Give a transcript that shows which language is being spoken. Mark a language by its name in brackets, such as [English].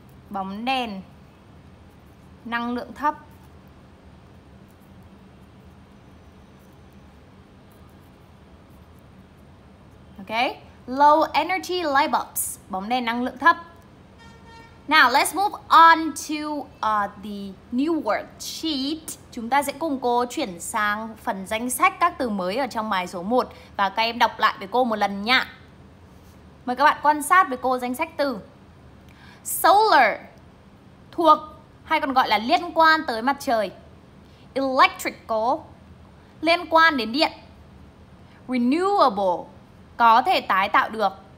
[Vietnamese] Bóng đèn năng lượng thấp. [English] Okay. Low energy light bulbs, [Vietnamese] bóng đèn năng lượng thấp. [English] Now let's move on to the new word sheet. [Vietnamese] Chúng ta sẽ cùng cô chuyển sang phần danh sách các từ mới ở trong bài số 1. Và các em đọc lại với cô một lần nha. Mời các bạn quan sát với cô danh sách từ. Solar, thuộc hay còn gọi là liên quan tới mặt trời. Electrical, liên quan đến điện. Renewable, có thể tái tạo được.